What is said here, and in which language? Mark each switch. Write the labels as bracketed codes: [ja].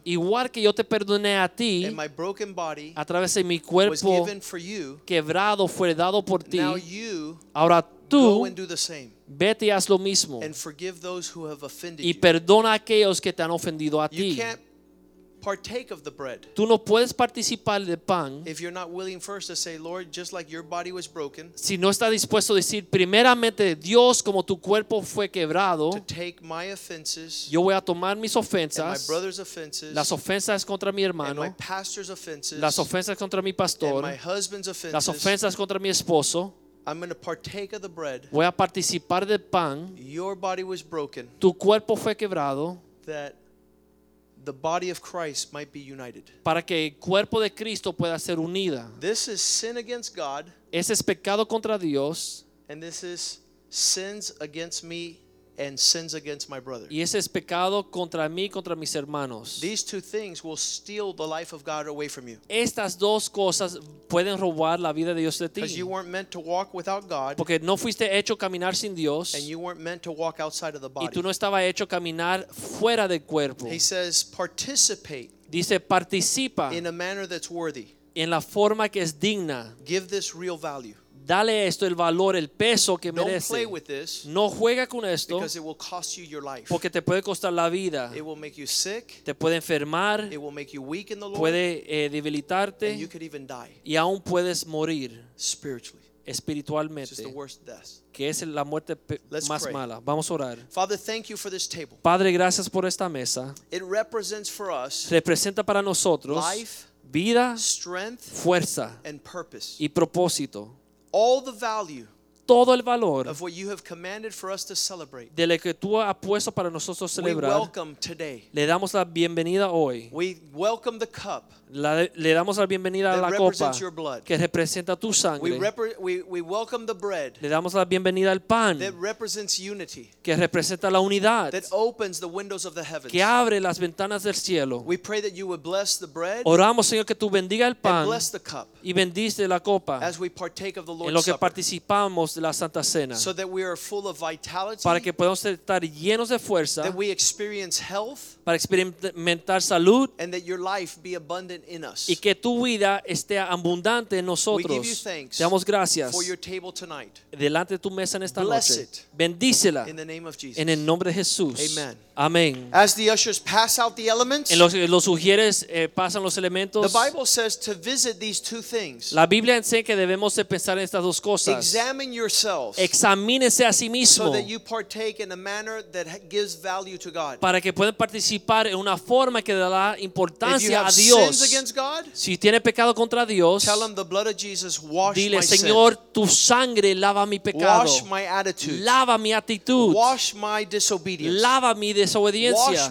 [es] igual que yo te perdoné a ti, [en] and my broken body, [es] a través de mi cuerpo [en] was given for you, [es] quebrado fue dado por ti. [en] Now you, [es] ahora tú, [en] go and do the same. [es] Vete y haz lo mismo. [en] And forgive those who have offended [es] y perdona a aquellos que te han ofendido a [en] you [es] ti. [en] Can't partake of the bread. [es] Tú no puedes participar del pan. [en] If you're not willing first to say, Lord, just like your body was broken. [es] Si no está dispuesto a decir primeramente, Dios, como tu cuerpo fue quebrado. [en] To take my offenses. [es] Yo voy a tomar mis ofensas. [en] And my brother's offenses. [es] Las ofensas contra mi hermano. [en] And my pastor's offenses. [es] Las ofensas contra mi pastor. [en] And my husband's offenses. [es] Las ofensas contra mi esposo. [en] I'm going to partake of the bread. [es] Voy a participar del pan. [en] Your body was broken. [es] Tu cuerpo fue quebrado. [en] That the body of Christ might be united. [es] Para que el cuerpo de Cristo pueda ser unida. [en] This is sin against God. [es] Ese es pecado contra Dios. [en] And this is sins against me and sins against my brother. [es] Y ese es pecado contra mí, contra mis hermanos. [en] These two things will steal the life of God away from you. [es] Estas dos cosas pueden robar la vida de Dios de ti. [en] Because you weren't meant to walk without God. [es] Porque no fuiste hecho caminar sin Dios. [en] And you weren't meant to walk outside of the body. [es] Y tú no estabas hecho caminar fuera del cuerpo. [en] He says, participate. [es] Dice, participa. [en] In a manner that's worthy. [es] En la forma que es digna. [en] Give this real value. [es] Dale esto el valor, el peso que [en] don't [es] merece. [en] Play with this, [es] no juega con esto, [en] because it will cost you your life. [es] Porque te puede costar la vida. [en] It will make you sick, [es] te puede enfermar. [en] It will make you weak in the Lord, [es] puede debilitarte. [en] And you could even die. [es] Y aún puedes morir [en] spiritually. [es] Espiritualmente. [en] It's the worst death. [es] Que es la muerte [en] Let's [es] más [en] pray. [es] Mala. Vamos a orar. [en] Father, thank you for this table. [es] Padre, gracias por esta mesa. [en] It represents for us [es] representa para nosotros [en] life, [es] vida, [en] strength, [es] fuerza [en] and purpose. [es] Y propósito. [en] All the value, [es] todo el valor, [en] of what you have commanded for us to celebrate, [es] de lo que tú has puesto para nosotros celebrar, [en] we welcome today. [es] Le damos la bienvenida hoy. [en] We welcome the cup. [es] Le damos la bienvenida a la copa que representa tu sangre. [en] We welcome the bread. [es] Le damos la bienvenida al pan [en] that represents unity. [es] Que representa la unidad. [en] That opens the windows of the heavens. [es] Que abre las ventanas del cielo. [en] We pray that you would bless the bread. [es] Oramos, Señor, que tú bendiga el pan [en] and bless the cup. [es] Y bendice la copa. [en] As we partake of the Lord's [es] en lo que [en] supper. [es] Participamos de la Santa Cena. [en] So that we are full of vitality. [es] Para que podamos estar llenos de fuerza. [en] That we experience health. [es] Para experimentar salud. [en] And that your life be abundant in us. [es] Y que tu vida esté abundante en nosotros. [en] We give you thanks. [es] Te damos gracias. [en] For your table tonight. [es] Delante de tu mesa en esta [en] bless [es] noche. [en] It. [es] Bendícela. [en] In the name of Jesus. [es] En el nombre de Jesús. [en] Amen. [es] Amén. [en] As the ushers pass out the elements. [es] En los sugieres pasan los elementos. [en] The Bible says to visit these two things. [es] La Biblia enseña que debemos de pensar en estas dos cosas. [en] Examine yourselves. [es] Examínese a sí mismo. [en] So that you partake in a manner that gives value to God. [es] Para que puedan participar en una forma que dará importancia [en] if you have [es] a Dios. [en] Against God, [es] si tiene pecado contra Dios, [en] tell him the blood of Jesus washed [es] dile, [en] my [es] Señor, [en] sin. [es] Tu sangre lava mi pecado. [en] Wash my attitude. [es] Lava mi actitud. [en] Wash my disobedience. [es] Lava mi desobediencia.